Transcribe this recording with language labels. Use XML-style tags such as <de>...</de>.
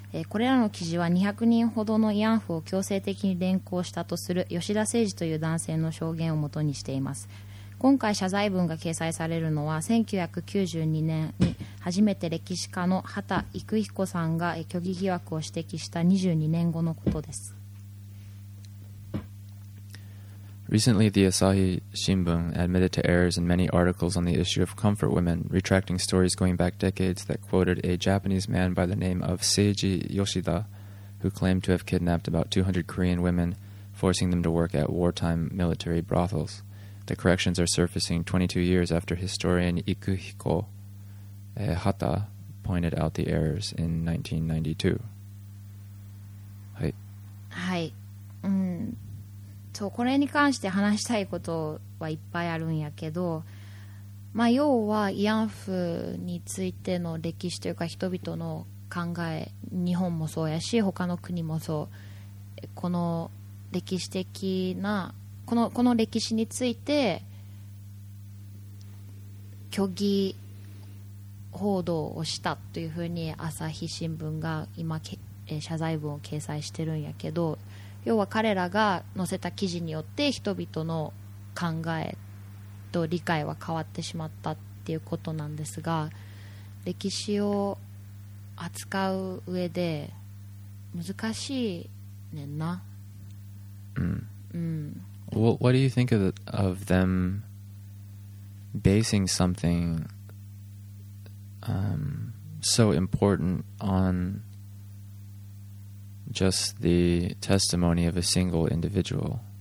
<ja>これらの記事は200人ほどの慰安婦を強制的に連行したとする吉田誠二という男性の証言をもとにしています。今回謝罪文が掲載されるのは1992年に初めて歴史家の畑郁彦さんが虚偽疑惑を指摘した22年後のことです。</ja> <en>Recently, the Asahi Shimbun admitted to errors in many articles on the issue of comfort women, retracting stories going back decades that quoted a Japanese man by the name of Seiji Yoshida, who claimed to have kidnapped about 200 Korean women, forcing them to work at wartime military brothels. The corrections are surfacing 22 years after historian Ikuhiko Hata pointed out the errors in 1992. Hi. Hi.</en> <ja>そう、これに関して話したいことはいっぱいあるんやけど、まあ、要は慰安婦についての歴史というか人々の考え、日本もそうやし他の国もそう、この歴史的なこの歴史について虚偽報道をしたというふうに朝日新聞が今謝罪文を掲載してるんやけど、要は彼らが載せた記事によって人々の考えと理解は変わってしまったっていうことなんですが、歴史を扱う上で難しいねんな。うん。うん。</ja> <en>What do you think of them basing something so important on just the testimony of a single individual?</en>